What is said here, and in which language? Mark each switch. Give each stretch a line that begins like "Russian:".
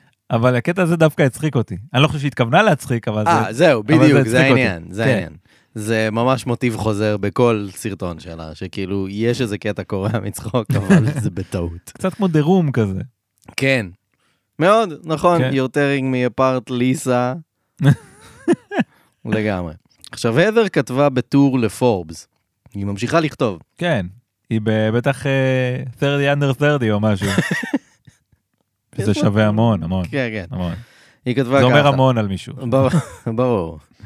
Hebrew: אבל הקטע הזה דווקא הצחיק אותי. אני לא חושב שהתכוונה להצחיק, אבל זה... זהו, בדיוק, זה העניין, זה העניין. זה ממש מוטיב חוזר בכל סרטון שלה, שכאילו יש איזה קטע קורא מצחוק, אבל זה בטעות. קצת כמו דרום כזה. כן. מאוד, נכון, okay.
English: You're tearing me apart, ליסה.
Hebrew: לגמרי. עכשיו, הית'ר כתבה בטור לפורבס. היא ממשיכה לכתוב. כן, היא בטח 30 under 30 או משהו. וזה שווה המון, המון. כן, כן. המון. היא כתבה ככה. זה אומר המון על מישהו. ברור.